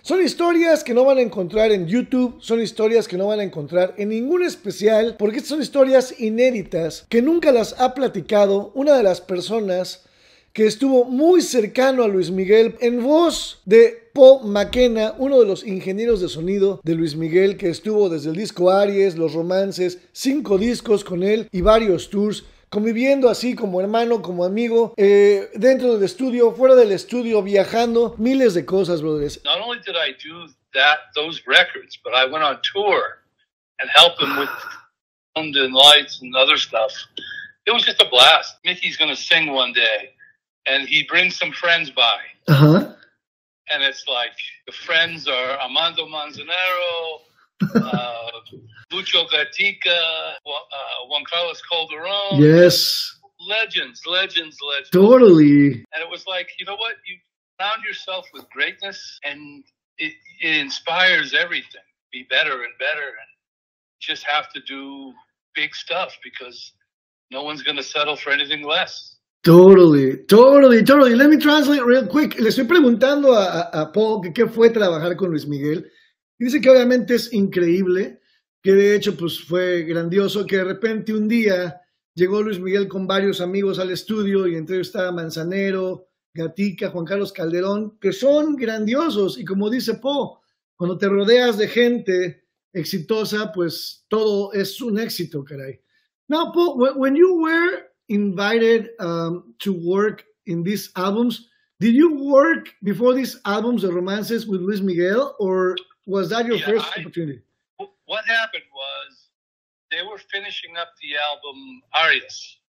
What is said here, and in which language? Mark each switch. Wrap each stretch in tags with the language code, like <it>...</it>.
<es>Son historias que no van a encontrar en YouTube, son historias que no van a encontrar en ningún especial, porque son historias inéditas que nunca las ha platicado una de las personas que estuvo muy cercano a Luis Miguel, en voz de Paul McKenna, uno de los ingenieros de sonido de Luis Miguel, que estuvo desde el disco Aries, Los Romances, cinco discos con él y varios tours, conviviendo así como hermano, como amigo, dentro del estudio, fuera del estudio, viajando, miles de cosas, brothers.</es> <en>Not only did I do that, those records, but I went on tour and helped him with sound and lights and other stuff. It was just a blast. Mickey's going to sing one day, and he brings some friends by. And it's like the friends are Armando Manzanero, Lucho Gatica, Juan Carlos Calderon. Yes. Legends, legends, legends. Totally. And it was like, you know what? You found yourself with greatness, and it inspires everything. Be better and better, and just have to do big stuff because no one's going to settle for anything less. Totally, totally, totally. Let me translate real quick.</en> <es>Le estoy preguntando a Paul que qué fue trabajar con Luis Miguel. Y dice que obviamente es increíble, que de hecho pues fue grandioso, que de repente un día llegó Luis Miguel con varios amigos al estudio y entre ellos estaba Manzanero, Gatica, Juan Carlos Calderón, que son grandiosos. Y como dice Paul, cuando te rodeas de gente exitosa, pues todo es un éxito, caray.</es> <en>Now, Paul, when you were invited to work in these albums, did you work before these albums, The Romances, with Luis Miguel, or was that your first opportunity? What happened was they were finishing up the album Arias.</en>